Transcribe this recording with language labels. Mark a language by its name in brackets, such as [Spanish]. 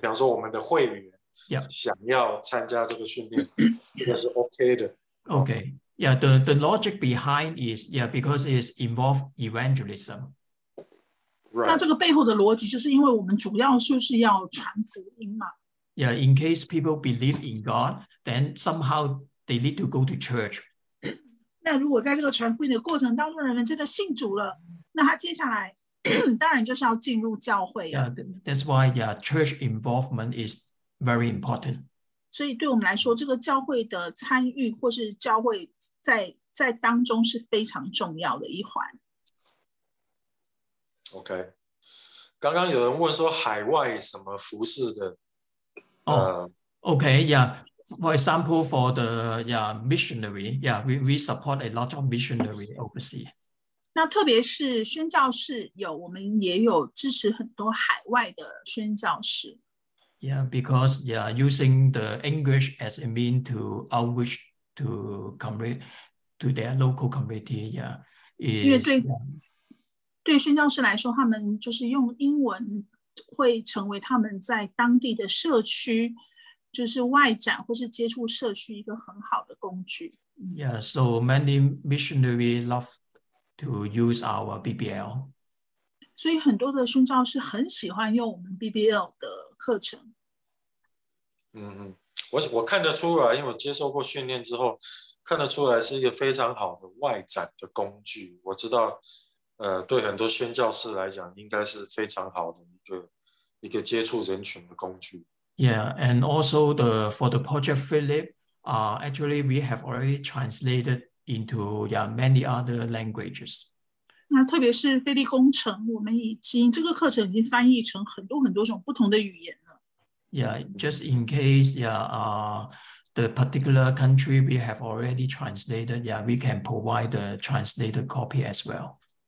[Chinese] 比方说，我们的会员想要参加这个训练，这个是 OK 的。 [English] OK, yeah. The logic behind is yeah, because it's involved evangelism. Right. [Chinese] 那这个背后的逻辑就是因为我们主要就是要传福音嘛。 [English] Yeah, in case people believe in God, then somehow they need to go to church. [Chinese] 那如果在这个传福音的过程当中，人们真的信主了，那他接下来当然就是要进入教会。 [English] Yeah, that's why yeah, church involvement is very important. [Chinese] 所以对我们来说，这个教会的参与或是教会在当中是非常重要的一环。 OK, 刚刚有人问说海外什么服事的、 [English] OK, yeah, for example, for the yeah, missionary, yeah, we support a lot of missionary overseas. [Chinese] 那特别是宣教士有，我们也有支持很多海外的宣教士。 [English] Yeah, because yeah, using the English as a mean to outreach to community, to their local community, yeah, is... [Chinese] 对宣教士来说，他们就是用英文会成为他们在当地的社区，就是外展或是接触社区一个很好的工具。 [English] Yeah, so many missionaries love to use our BBL. [Chinese] 所以很多的宣教士很喜欢用我们 BBL 的课程。嗯，我看得出来，因为我接受过训练之后，看得出来是一个非常好的外展的工具。我知道。对很多宣教士来讲，应该是非常好的一个接触人群的工具。 [English] Yeah, and also for the Project Philip, actually we have already translated into yeah, many other languages. [Chinese] 那特别是菲利工程，我们已经这个课程已经翻译成很多很多种不同的语言了。 [English] Yeah, just in case, yeah, the particular country we have already translated, yeah, we can provide the translated copy as well.